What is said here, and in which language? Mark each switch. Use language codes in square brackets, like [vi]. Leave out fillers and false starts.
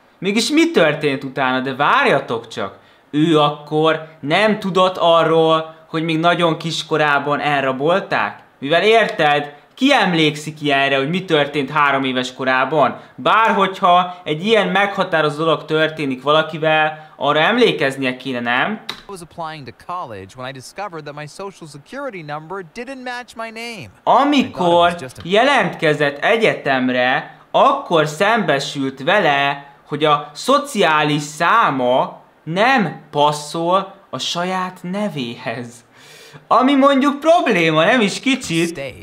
[hu] Mégis mi történt utána, de várjatok csak! Ő akkor nem tudott arról, hogy még nagyon kiskorában elrabolták? Mivel érted, ki emlékszik ilyenre, hogy mi történt 3 éves korában? Bárhogyha egy ilyen meghatározó dolog történik valakivel, arra emlékeznie kéne, nem? [en] I was applying to college when I discovered that my social security number didn't match my name. [hu] Amikor jelentkezett egyetemre, akkor szembesült vele, hogy a szociális száma nem passzol a saját nevéhez. Ami mondjuk probléma, nem is kicsit.